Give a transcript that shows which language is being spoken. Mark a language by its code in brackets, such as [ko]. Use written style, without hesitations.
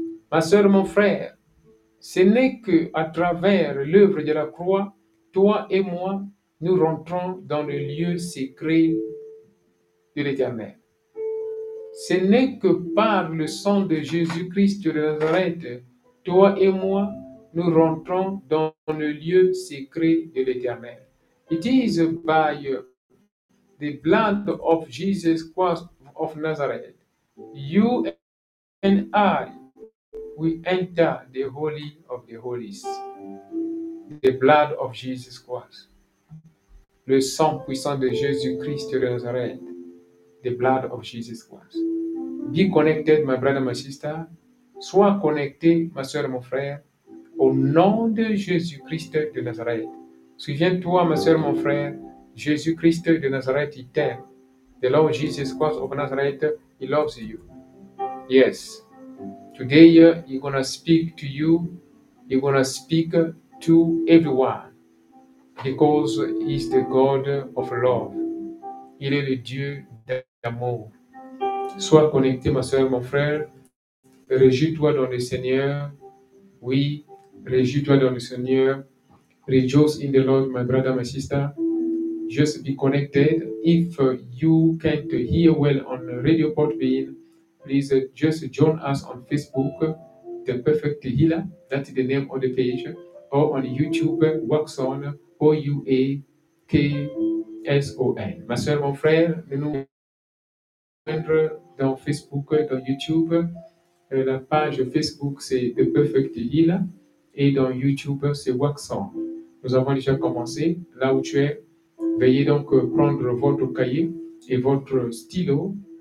[fr] Ma sœur, mon frère, ce n'est que à travers l'œuvre de la croix, toi et moi, nous rentrons dans le lieu secret de l'Éternel. Ce n'est que par le sang de Jésus-Christ de Nazareth, toi et moi, nous rentrons dans le lieu secret de l'Éternel. [en] It is by the blood of Jesus Christ of Nazareth. You and I, we enter the Holy of the Holies, the blood of Jesus Christ, [fr] le sang puissant de Jésus Christ de Nazareth, [en] the blood of Jesus Christ. Be connected, my brother, my sister. [fr] Sois connecté, ma soeur, mon frère, au nom de Jésus Christ de Nazareth. Souviens-toi, ma soeur, mon frère, Jésus Christ de Nazareth, il t'aime. [en] The Lord Jesus Christ of Nazareth, he loves you. Yes. Today, he's going to speak to you. He's going to speak to everyone. Because he's the God of love. [fr] Il est le Dieu d'amour. Sois connecté, ma soeur, mon frère. Réjouis-toi dans le Seigneur. Oui, réjouis-toi dans le Seigneur. [en] Rejoice in the Lord, my brother, my sister. Just be connected. If you can't hear well on Radio Podbean, please just join us on Facebook, The Perfect Healer, that is the name of the page, or on YouTube, Waxon, O-U-A-K-S-O-N. [fr] Ma soeur, mon frère, nous rejoindre dans Facebook, dans YouTube. La page Facebook, c'est The Perfect Healer, et dans YouTube, c'est Waxon. Nous avons déjà commencé, là où tu es. Veuillez donc prendre votre cahier et votre stylo.